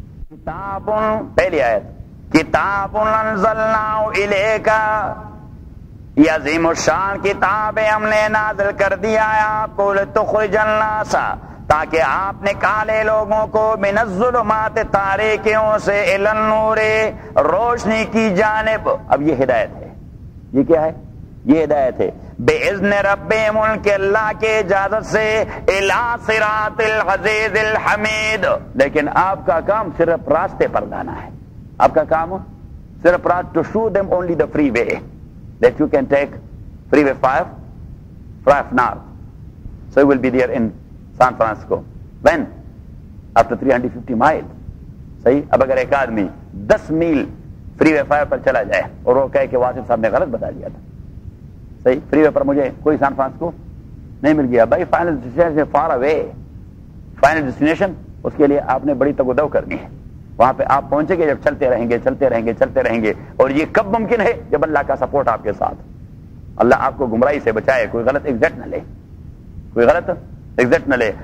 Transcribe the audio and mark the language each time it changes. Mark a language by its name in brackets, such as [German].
[Urdu] کتاب, پہلی آیت, [Arabic] کتاب انزلناہ الیک [Urdu] یہ عظیم الشان کتاب ہم نے نازل کر دیا ہے آپ کو, [Arabic] لتخرج الناس [Urdu] تاکہ آپ نکالے لوگوں کو, [Arabic] من الظلمات [Urdu] تاریکیوں سے, [Arabic] الی النور [Urdu] روشنی کی جانب. اب یہ ہدایت ہے, یہ کیا ہے, یہ ہدایت ہے, [Arabic] بِإذن ربِهم [Urdu] کے اللہ کے اجازت سے, [Arabic] الی صراط العزیز الحمید. [Urdu] لیکن آپ کا کام صرف راستے [English] پر لانا ہے, آپ کا کام صرف راستے, to show them only the freeway that you can take freeway 5 from north, so you will be there in San Francisco when after 350 miles. [Urdu] صحیح. اب اگر ایک آدمی 10 میل فری وے 5 پر چلا جائے اور وہ کہے کہ واسف صاحب نے غلط بتا دیا تھا, صحیح, فری وے پر مجھے کوئی سان فرانسکو نہیں مل گیا, بھائی [English] final destination far away, [Urdu] final destination, اس کے لیے آپ نے بڑی تگ و دو کرنی ہے, وہاں پہ آپ پہنچے گے جب چلتے رہیں گے, چلتے رہیں گے, چلتے رہیں گے, اور یہ کب ممکن ہے, جب اللہ کا سپورٹ آپ کے ساتھ, اللہ آپ کو گمراہی سے بچائے, کوئی غلط ایگزیکٹ نہ لے, کوئی غلط ایگزیکٹ نہ لے.